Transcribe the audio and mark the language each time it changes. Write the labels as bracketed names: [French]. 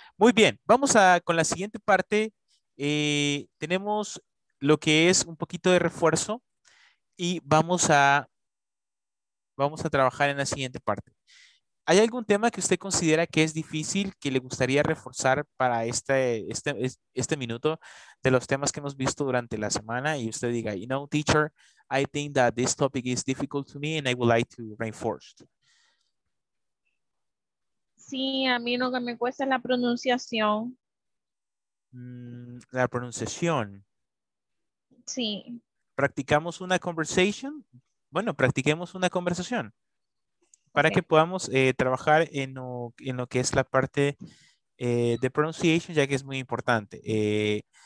[Spanish] Muy bien, vamos a con la siguiente parte. Tenemos lo que es un poquito de refuerzo y vamos a trabajar en la siguiente parte. ¿Hay algún tema que usted considera que es difícil, que le gustaría reforzar para este minuto de los temas que hemos visto durante la semana? Y usted diga, [English] you know, teacher, I think that this topic is difficult to me and I would like to reinforce. [Spanish] Sí, a mí lo que me cuesta es la pronunciación. La pronunciación. Sí. ¿Practicamos una conversation? Bueno, practiquemos una conversación. Para okay. que podamos trabajar en lo que es la parte de pronunciation, ya que es muy importante.